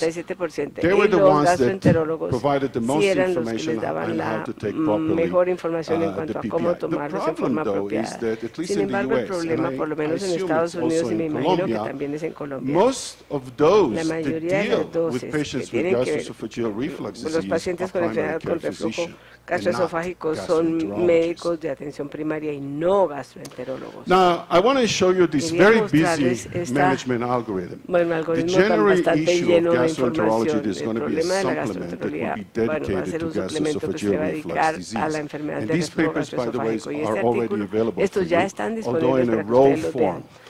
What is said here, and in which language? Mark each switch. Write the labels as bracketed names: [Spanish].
[English] they were the ones that provided the most information on how to take properly the PPI. The problem, though, is that at least in the U.S., and I assume it's also in Colombia, most of those that deal with patients with gastroesophageal reflux disease are primary care physicians. [Spanish] Gastroesofágicos son médicos de atención primaria y no gastroenterólogos. [English] Now, I want to show you this very busy management algorithm. The general issue of gastroenterology is going to be a supplement that will be dedicated to gastroesophageal reflux disease. And these papers, by the way, are already available to you, although in a raw form.